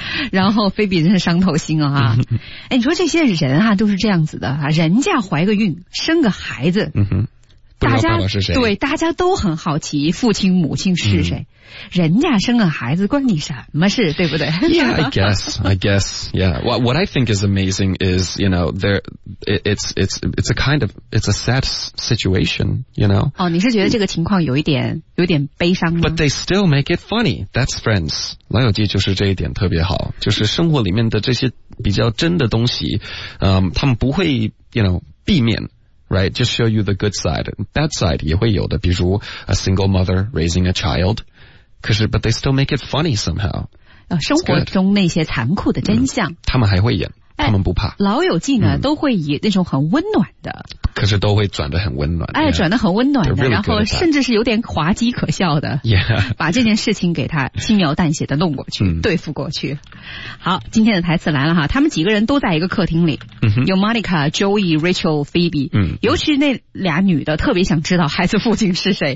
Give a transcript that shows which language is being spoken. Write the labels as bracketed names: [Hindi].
[Chinese] 然后菲比真是伤透心啊！哎，你说这些人啊都是这样子的啊，人家怀个孕生个孩子，不知道爸爸是谁，对，大家都很好奇父亲母亲是谁。人家生个孩子关你什么事，对不对 [English] ？Yeah, I guess, yeah. What I think is amazing is, you know, it's a sad situation, you know. [Chinese] 哦，你是觉得这个情况有点悲伤吗 [English] ？But they still make it funny. That's Friends. [Chinese] 老友记就是这一点特别好，就是生活里面的这些比较真的东西，他们不会 ， [English] you know， [Chinese] 避免。 [English] Right, just show you the good side. Bad side [Chinese] 也会有的，比如 [English] a single mother raising a child. [Chinese] 可是 [English] but they still make it funny somehow. [Chinese] 生活中那些残酷的真相。他们还会演，他们不怕。老友记呢，都会以那种很温暖的。可是都会转得很温暖。哎，转得很温暖的， [English] really、 [Chinese] 然后甚至是有点滑稽可笑的。 [English] Yeah. [Chinese] 把这件事情给他轻描淡写的弄过去，对付过去。好，今天的台词来了哈，他们几个人都在一个客厅里，有 Monica、Joey、Rachel、Phoebe， 尤其那俩女的特别想知道孩子父亲是谁。